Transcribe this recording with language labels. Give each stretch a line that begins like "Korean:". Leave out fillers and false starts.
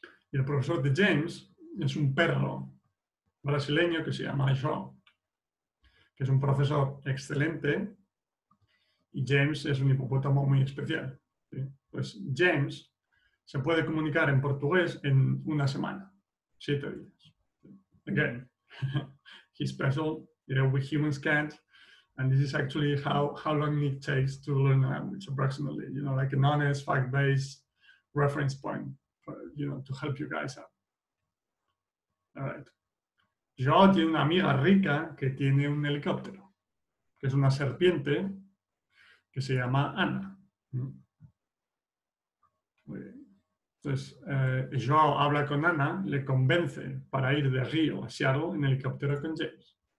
Spanish: Y el profesor de James es un perro brasileño que se llama João, que es un profesor excelente, y James es un hipopótamo muy especial. ¿Sí? Pues James se puede comunicar en portugués en 1 semana, 7 días.
English: Again, he's special, you know, we humans can't, and this is actually how long it takes to learn a language, approximately, you know, like an honest, fact-based reference point, for, you know, to help you guys out. All right.
Spanish: Joao tiene una amiga rica que tiene un helicóptero, que es una serpiente que se llama Ana. Entonces, Joao habla con Ana, le convence para ir de Río a Seattle en helicóptero con James.